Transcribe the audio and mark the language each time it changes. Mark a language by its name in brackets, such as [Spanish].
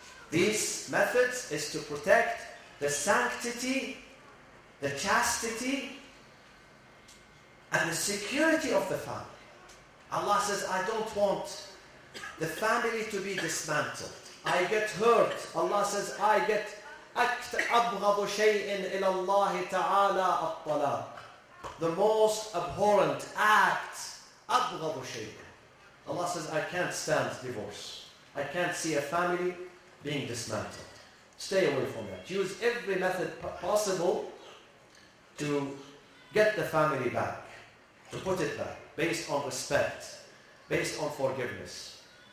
[English] These methods is to protect the sanctity, the chastity, and the security of the family. Allah says, I don't want the family to be dismantled. I get hurt. Allah says, I get [Arabic] أبغض شيء إلى الله تعالى الطلاق. [English] The most abhorrent act. [Arabic] أبغض شيء. [English] Allah says, I can't stand divorce. I can't see a family being dismantled. Stay away from that. Use every method possible to get the family back, to put it back, based on respect, based on forgiveness.